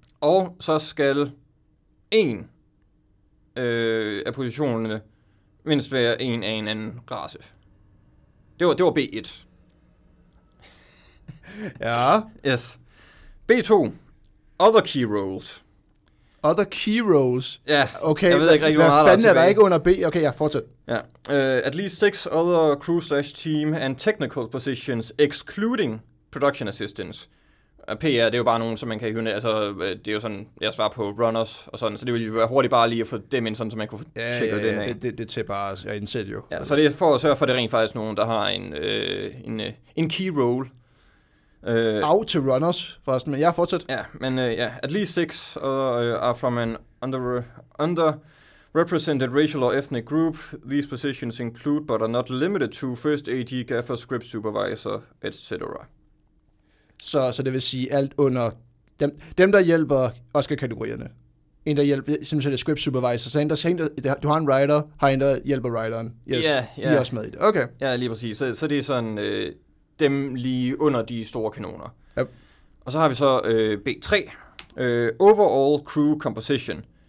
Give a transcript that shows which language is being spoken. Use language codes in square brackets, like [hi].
[da] Og så skal en af positionerne mindst være en af en anden race. Det var B1. Ja. [en] Yes. B2. Other key roles. Other key roles? [da] Ja, okay. Jeg ved ikke rigtig, hvor meget der er tilbage. Hvad er der ikke under B? Okay, ja, fortsæt. Ja. [en] At least six other crew/team and technical positions, excluding production assistance. [da] PR, det er jo bare nogen, som man kan hyvne. Altså, det er jo sådan, jeg svarer på runners og sådan. Så det ville jo være hurtigt bare lige at få dem ind, sådan, så man kunne tjekke det af. Det tager bare at indsætte jo. Ja, så det er for at sørge for, at det rent faktisk nogen, der har en key role. [en] Out to runners, [da] forresten, men jeg fortsæt. Ja, men ja, [en] at least six are from an underrepresented racial or ethnic group. These positions include, but are not limited to, first AD, gaffer, script supervisor, etc. [da] Så det vil sige alt under dem der hjælper Oscar-kategorierne. En, der hjælper, simpelthen er script supervisor, så du har en writer, har en, der hjælper writeren. [en] Yes, yeah, yeah. [da] De er også med i det. Okay. Ja, lige præcis. Så det er sådan dem lige under de store kanoner. [en] Yep. [da] Og så har vi så B3. [en] Overall crew composition.